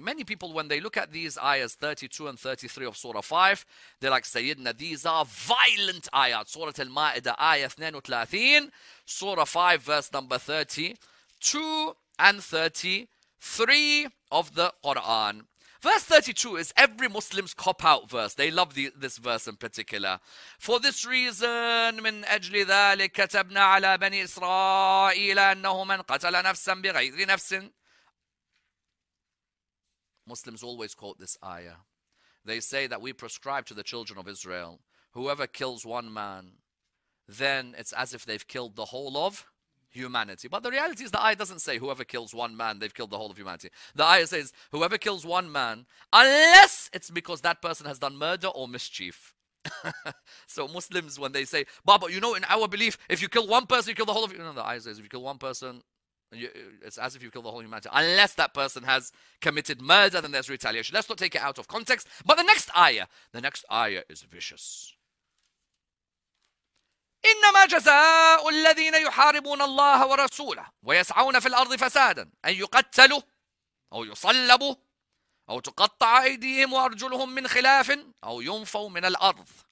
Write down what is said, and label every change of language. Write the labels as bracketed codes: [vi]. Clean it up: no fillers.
[en] Many people, when they look at these ayahs 32 and 33 of Surah 5, they're like, Sayyidina, these are violent ayahs. Surah Al-Ma'idah, ayah 32, Surah 5, verse number 32 and 33 of the Quran. Verse 32 is every Muslim's cop-out verse. They love this verse in particular. For this reason, [ar] من أجل ذلك كتبنا على بني إسرائيل أنه من قتل نفسا بغير نفس. [en] Muslims always quote this ayah. They say that we prescribe to the children of Israel, whoever kills one man, then it's as if they've killed the whole of humanity. But the reality is the ayah doesn't say whoever kills one man, they've killed the whole of humanity. The ayah says whoever kills one man, unless it's because that person has done murder or mischief. So Muslims, when they say, Baba, you know, in our belief, if you kill one person, you kill the whole of you. No, the ayah says if you kill one person, it's as if you kill the whole humanity. Unless that person has committed murder, then there's retaliation. Let's not take it out of context. But the next ayah is vicious. [ar] إنما جزاء الذين يحاربون الله ورسوله ويسعون في الأرض فسادا أن يقتلوا أو يصلبوا أو تقطع أيديهم وأرجلهم من خلاف أو ينفوا من الأرض.